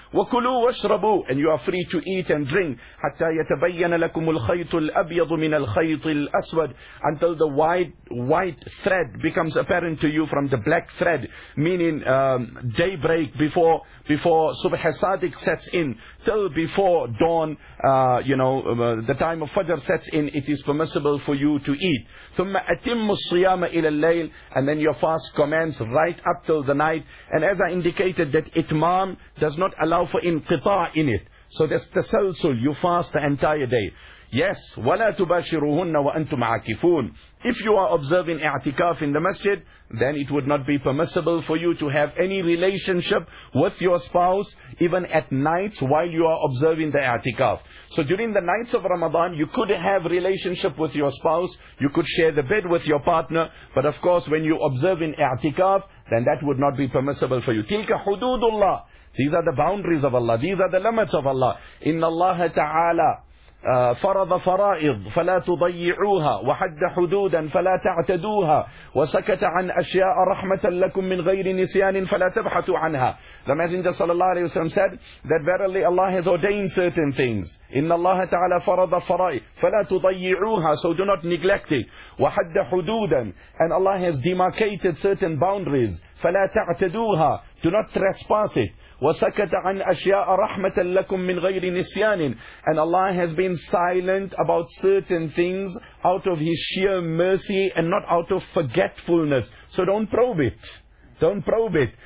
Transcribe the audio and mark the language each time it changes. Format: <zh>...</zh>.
<ar>وَكُلُوا وَاشْرَبُوا,</ar> <en>and you are free to eat and drink.</en> <ar>حَتَّى يَتَبَيَّنَ لَكُمُ الْخَيْطُ الْأَبْيَضُ مِنَ الْخَيْطِ الْأَسْوَدِ,</ar> <en>until the white thread becomes apparent to you from the black thread, meaning daybreak before Subh Sadiq sets in, till before dawn, the time of Fajr sets in, it is permissible for you to eat.</en> <ar>ثُمَّ أَتِمُّ الصِّيَامَ إِلَى اللَّيْلِ,</ar> <en>and then your fast commence right up till the night. And as I indicated, that itmam does not allow for inqita' in it. So there's tasalsul, you fast the entire day.</en> <ar>Yes, وَلَا تُبَاشِرُوهُنَّ وَأَنْتُمْ عَاكِفُونَ.</ar> <en>If you are observing i'tikaf in the masjid, then it would not be permissible for you to have any relationship with your spouse, even at nights while you are observing the i'tikaf. So during the nights of Ramadan, you could have relationship with your spouse, you could share the bed with your partner, but of course when you observe in i'tikaf, then that would not be permissible for you.</en> <ar>تِلْكَ حُدُودُ اللَّهِ.</ar> <en>These are the boundaries of Allah, these are the limits of Allah.</en> <ar>إِنَّ اللَّهَ تَعَالَى فرض فرائض فلا تضيعوها وحد حدودا فلا تعتدوها وسكت عن أشياء رحمة لكم من غير نسيان فلا تبحثوا عنها.</ar> <en>The Messenger sallallahu alayhi wa sallam said that verily Allah has ordained certain things.</en> <ar>إن الله تعالى فرض فرائض فلا تضيعوها,</ar> <en>so do not neglect it.</en> <ar>وحد حدودا,</ar> <en>and Allah has demarcated certain boundaries.</en> <ar>فلا تعتدوها,</ar> <en>do not trespass it.</en> <ar>وَسَكَتَ عَنْ أَشْيَاءَ رَحْمَةً لَكُمْ مِنْ غَيْرِ نِسْيَانٍ,</ar> <en>and Allah has been silent about certain things out of His sheer mercy and not out of forgetfulness. So don't probe it. Don't probe it.</en>